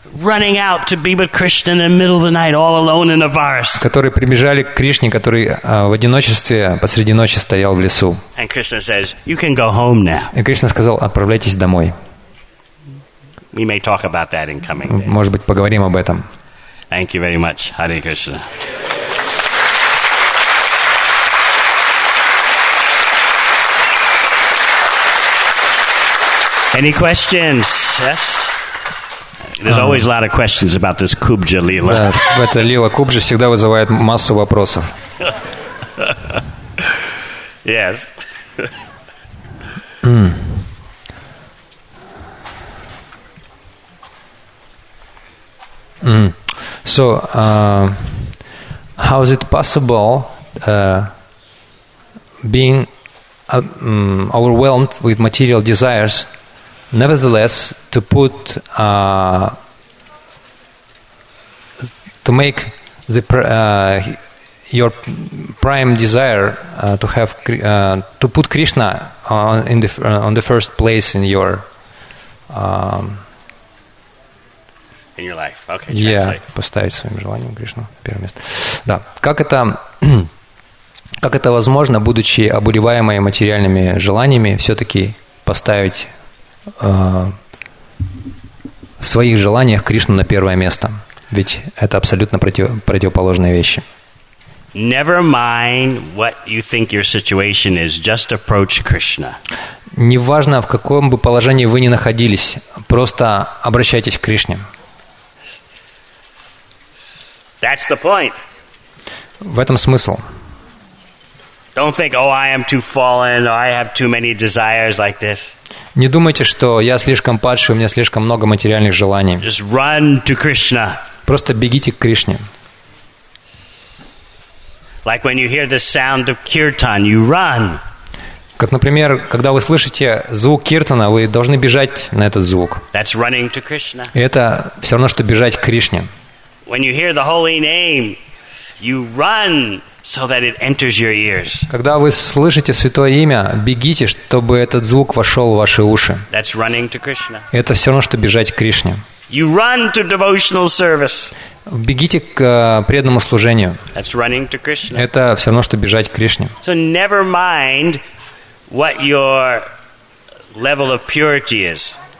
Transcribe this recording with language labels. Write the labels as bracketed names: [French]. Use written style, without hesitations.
[English] Running out to be with Krishna in the middle of the night, all alone in the forest. [Russian] Которые прибежали к Кришне, который в одиночестве посреди ночи стоял в лесу. [English] And Krishna says, "You can go home now." [Russian] И Кришна сказал: отправляйтесь домой. [English] we may talk about that in coming days. [Russian] Может быть, поговорим об этом. [English] Thank you very much. Hare Krishna. Any questions? Yes. There's always a lot of questions about this Kubja Lila. [Russian] Да, эта Лила Кубжа всегда вызывает массу вопросов. [English] Yes. So, how is it possible being overwhelmed with material desires, nevertheless, to put to make the your prime desire to have to put Krishna on the first place in your In your life. Okay, [Russian] yeah, поставить своим желанием Кришну первое место. Да, как это возможно, будучи обуреваемой материальными желаниями, все-таки поставить в своих желаниях Кришну на первое место? Ведь это абсолютно противоположные вещи. [English] Never mind what you think your situation is, just approach Krishna. [Russian] Неважно, в каком бы положении вы ни находились, просто обращайтесь к Кришне. [English] That's the point. [Russian] В этом смысл. [English] Don't think, oh, I am too fallen, or I have too many desires like this. [Russian] Не думайте, что я слишком падший, у меня слишком много материальных желаний. [English] Just run to Krishna. [Russian] Просто бегите к Кришне. [English] Like when you hear the sound of kirtan, you run. [Russian] Как, например, когда вы слышите звук киртана, вы должны бежать на этот звук. [English] That's running to Krishna. [Russian] И это все равно, что бежать к Кришне. [English] When you hear the holy name, you run so that it enters your ears. [Russian] Когда вы слышите святое имя, бегите, чтобы этот звук вошел в ваши уши. [English] That's running to Krishna. [Russian] Это все равно, что бежать к Кришне. [English] You run to devotional service. [Russian] Бегите к преданному служению. [English] That's running to Krishna. [Russian] Это все равно, что бежать к Кришне. [English] So never mind what your level of purity is.